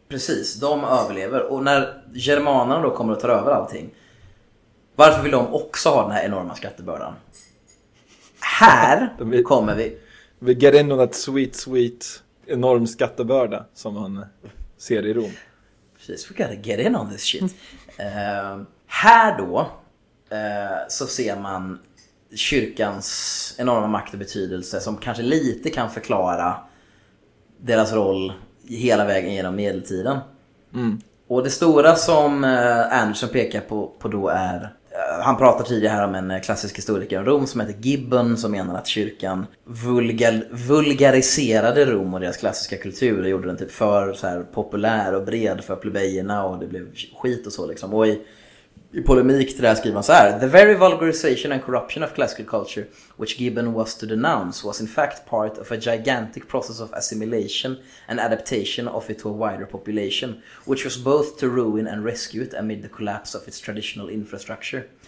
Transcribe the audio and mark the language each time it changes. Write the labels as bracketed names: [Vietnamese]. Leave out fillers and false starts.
[Swedish] Precis, de överlever. Och när germanerna då kommer att ta över allting, varför vill de också ha den här enorma skattebördan? Här kommer vi. Vi ger in någon [English] sweet, sweet [Swedish] enorm skattebörda som man ser i Rom. Precis, [English] we gotta get in on this shit. [Swedish] Här då så ser man kyrkans enorma makt och betydelse, som kanske lite kan förklara deras roll hela vägen genom medeltiden. Och det stora som Anderson pekar på då är, han pratar tidigare här om en klassisk historiker om Rom som heter Gibbon, som menar att kyrkan vulgariserade Rom och deras klassiska kultur och gjorde den typ för så här populär och bred för plebejerna, och det blev skit och så liksom. Och i polemik till det här skriver man så här: [English] the very vulgarization and corruption of classical culture, which Gibbon was to denounce, was in fact part of a gigantic process of assimilation and adaptation of it to a wider population, which was both to ruin and rescue it amid the collapse of its traditional infrastructure.